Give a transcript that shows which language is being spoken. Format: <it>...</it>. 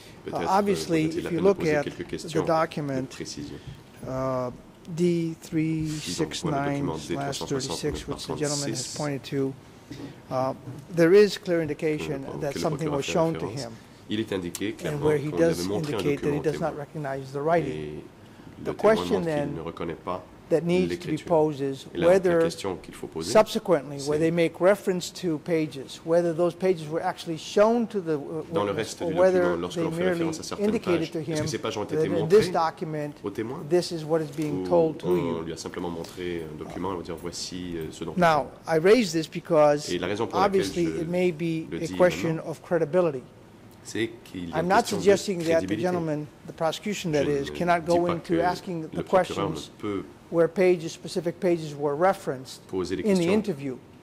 <en>Obviously, if you look at the document D-369/36, which the gentleman has pointed to, There is clear indication that something was shown to him.</en> <fr>Il est indiqué clairement qu'on lui avait montré un document</fr> <en>that he does not recognize the writing. Et the question then that needs to be posed is whether subsequently, where they make reference to pages, whether those pages were actually shown to the witness, or whether they merely indicated to him that in this document, this is what is being told to you.</en> <fr>On lui a simplement montré un document et on lui a dit voici ce document.</fr> <en>Now, I raise this because obviously it may be a question of credibility. I'm not suggesting that the gentleman, the prosecution that is, cannot go into asking the questions where pages, specific pages were referenced in the interview.</en>